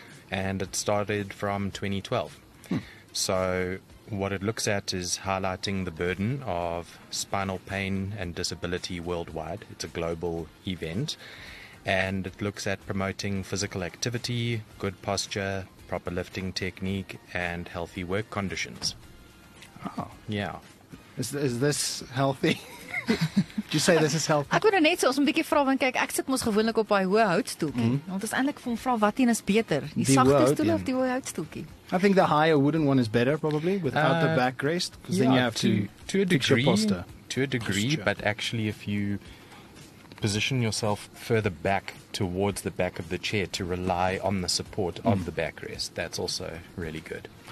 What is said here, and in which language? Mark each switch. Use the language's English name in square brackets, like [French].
[English] And it started from 2012. So what it looks at is highlighting the burden of spinal pain and disability worldwide. It's a global event. And it looks at promoting physical activity, good posture, proper lifting technique, and healthy work conditions. Oh. Yeah. Is this healthy? Did you say this is healthy? [Afrikaans] Ek wou net sê ons 'n bietjie vra want kyk ek sit mos gewoonlik op daai hoë houtstoeltjie. Want is eintlik van vra wat een is beter, die sagte stoel of die hoë houtstoeltjie? [English] I think the higher wooden one is better probably without the backrest because then you have to fix your posture. To a degree, but actually if you position yourself further back towards the back of the chair to rely on the support of the backrest, that's also really good.